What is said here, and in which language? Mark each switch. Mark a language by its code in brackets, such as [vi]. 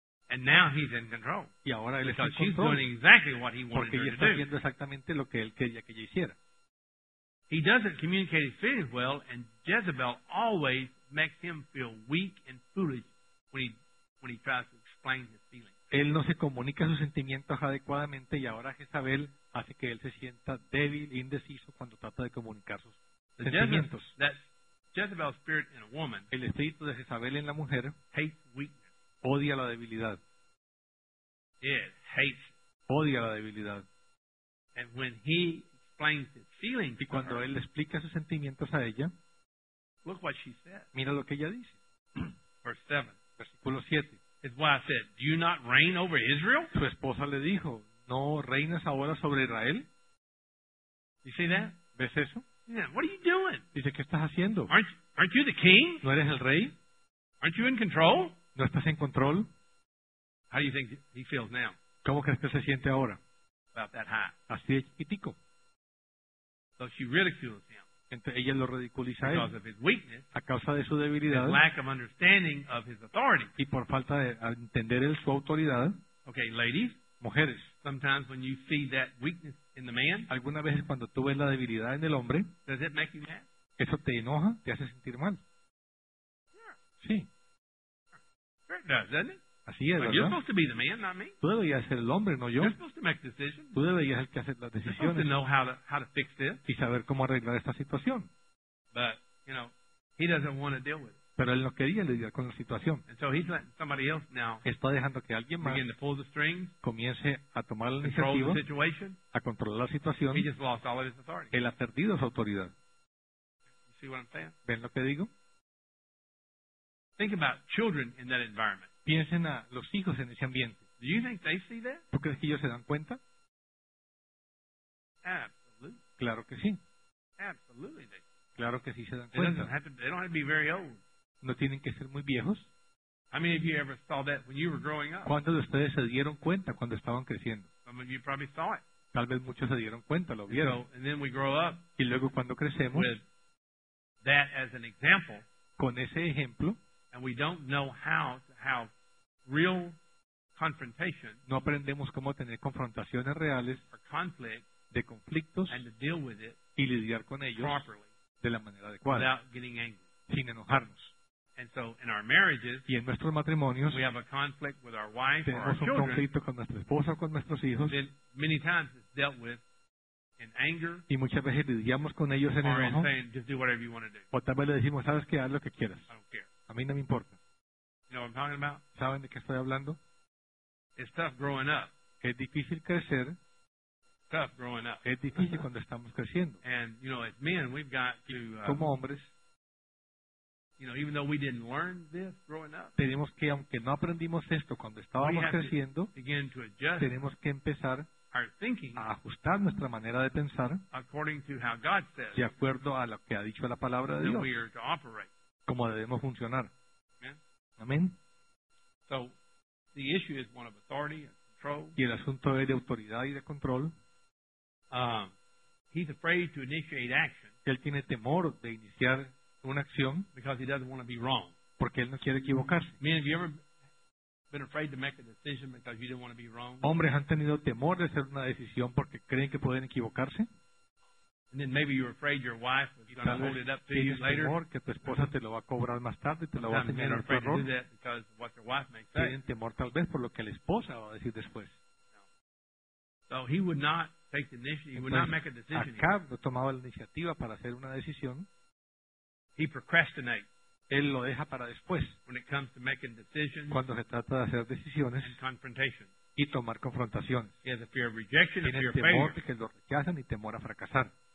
[en] And now he's in control. [es] Y ahora él [en] because [es] está en control, [en] she's doing exactly what he wanted [es] porque [en] her [es] está [en] to do. [es] Haciendo exactamente lo que él quería que ella hiciera. [en] He doesn't communicate his feelings well, and Jezebel always makes him feel weak and foolish when he tries to explain his feelings. [es] Él no se comunica sus sentimientos adecuadamente y ahora Jezabel hace que él se sienta débil, indeciso cuando trata de comunicar sus sentimientos. [en] Jezebel's spirit in a woman, [es] el espíritu de Jezabel en la mujer, [en] hates weakness. [es] Odia la debilidad. [en] It hates. [es] Odia la debilidad. [en] And when he explains his feelings, [es] y cuando [en] to her, [es] él explica sus sentimientos a ella, [en] look what she said. [es] Mira lo que ella dice. Versículo 7. [en] It's why I said, do you not reign over Israel? [es] Su esposa le dijo, ¿no reinas ahora sobre Israel? [en] You see that? [es] ¿Ves eso? [en] Yeah, what are you doing? [es] Dice, ¿qué estás haciendo? [en] Aren't you the king? [es] ¿No eres el rey? [en] Aren't you in control? [es] ¿No estás en control? [en] How do you think he feels now? [es] ¿Cómo crees que se siente ahora? [en] About that high. [es] Así de chiquitico. [en] So she ridicules him. [es] Entonces, ella lo ridiculiza [en] because [es] a él [en] of his weakness, [es] a causa de su debilidad [en] lack of understanding of his authority. [es] Y por falta de entender él su autoridad. [en] Okay, ladies, [es] mujeres, [en] sometimes when you see that weakness in the man, [es] alguna vez cuando tú ves la debilidad en el hombre, [en] does it make you mad? [es] ¿Eso te enoja? ¿Te hace sentir mal? [en] Yeah. [es] Sí. [en] Sure it does, doesn't it? [es] Así es, ¿verdad? [en] But you're supposed to be the man, not me. [es] Tú deberías ser el hombre, no yo. [en] You're supposed to make decisions. [es] Tú deberías ser el que hace las decisiones. [en] You're supposed to know how to fix this. [es] Y saber cómo arreglar esta situación. [en] But, you know, he doesn't want to deal with it. [es] Pero él no quería lidiar con la situación. [en] And so he's letting somebody else now [es] está dejando que alguien más [en] begin to pull the strings, [es] comience a tomar la [en] control [es] iniciativa, [en] the situation, [es] a controlar la situación. [en] He just lost all of his authority. [es] Él ha perdido su autoridad. [en] You see what I'm saying? [es] ¿Ven lo que digo? [en] Think about children in that environment. [es] Piensen a los hijos en ese ambiente. [en] Do you think they see that? [es] ¿Tú crees que ellos se dan cuenta? [en] Absolutely. [es] Claro que sí. [en] Absolutely. [es] Claro que sí se dan cuenta. [en] They don't have to be very old. [es] No tienen que ser muy viejos. [en] How many of you ever saw that when you were growing up? [es] ¿Cuántos de ustedes se dieron cuenta cuando estaban creciendo? [en] Some of you probably saw it. [es] Tal vez muchos se dieron cuenta, lo vieron. [en] And then we grow up. [es] Y luego cuando crecemos. [en] With that as an example. [es] Con ese ejemplo. [en] And we don't know how to have real confrontation. [es] No aprendemos cómo tener confrontaciones reales. [en] Or conflict. [es] De conflictos. [en] And to deal with it. [es] Y lidiar con ellos. [en] Properly. [es] De la manera adecuada. [en] Without getting angry. [es] Sin enojarnos. [en] And so in our marriages, [es] y en nuestros matrimonios, [en] we have a conflict with our wife [es] tenemos [en] or our [es] un [en] children, [es] conflicto con nuestra esposa o con nuestros hijos. [en] Then many times it's dealt with in anger. [es] Y muchas veces lidiamos con ellos en [en] or [es] enojo. [en] In saying, just do whatever you want to do. [es] O tal vez le decimos, sabes qué, haz lo que quieras. [en] I don't care. [es] A mí no me importa. [en] You know what I'm talking about? [es] ¿Saben de qué estoy hablando? [en] It's tough growing up. [es] Es difícil crecer. [en] Tough growing up. [es] Es difícil cuando estamos creciendo. [en] And you know, as men, we've got to. [es] Como hombres. [en] You know, even though we didn't learn this growing up, [es] tenemos que aunque no aprendimos esto cuando estábamos creciendo, tenemos que empezar [en] our thinking [es] a ajustar nuestra manera de pensar [en] according to how God says, [es] de acuerdo a lo que ha dicho la palabra de Dios, [en] we are to operate. [es] Cómo debemos funcionar. Amén. [en] So, the issue is one of authority and control. [es] Y el asunto es de autoridad y de control. [en] He's afraid to initiate action. [es] Él tiene temor de iniciar una acción [en] because he doesn't want to be wrong. [es] Porque él no quiere equivocarse. [en] Men, have you ever been afraid to make a decision because you didn't want to be wrong? [es] Hombres han tenido temor de hacer una decisión porque creen que pueden equivocarse. [en] And then maybe you're afraid your wife is going to hold it up to you later. [es] Temor que tu esposa te lo va a cobrar más tarde, te lo va a señalar. [en] Men are afraid to do that because of what their wife may say. [es] Tienen temor tal vez por lo que la esposa va a decir después. [en] So he would not take the initiative. He would not make a decision. [es] Acab no tomaba la iniciativa para hacer una decisión. [en] He procrastinates. [es] Él lo deja para después. [en] When it comes to making decisions, [es] cuando se trata de hacer decisiones, [en] and confrontation, [es] y tomar confrontaciones, [en] he has a fear of rejection, [es] tiene [en] a fear of failure. [es] Temor de que lo rechazan y temor a fracasar.